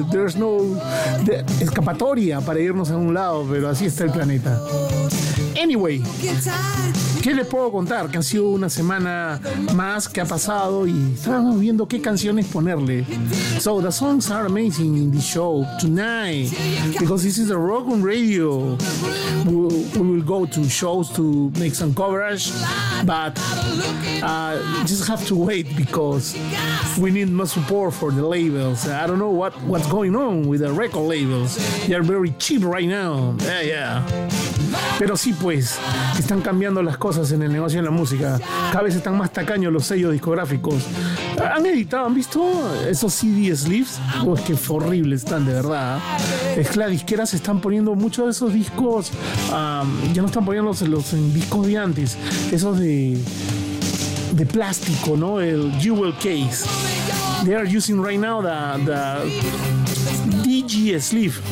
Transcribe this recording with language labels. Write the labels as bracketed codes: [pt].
[en] There's no [es] escapatoria para irnos a un lado, pero así está el planeta. Anyway, ¿qué les puedo contar? Que ha sido una semana más que ha pasado y estábamos viendo qué canciones ponerle. [en] So, the songs are amazing in this show tonight because this is a rock and radio. We will go to shows to make some coverage, but just have to wait because we need more support for the labels. I don't know what's going on with the record labels. They are very cheap right now. Yeah. [es] Pero sí, pues, están cambiando las cosas en el negocio de la música. Cada vez están más tacaños los sellos discográficos. Han editado, ¿han visto esos CD sleeves? Oh, qué horribles están, de verdad. Es que las disqueras están poniendo muchos de esos discos. Ya no están poniendo los en discos de antes. Esos de plástico, ¿no? El jewel case. [en] They are using right now the DG sleeve.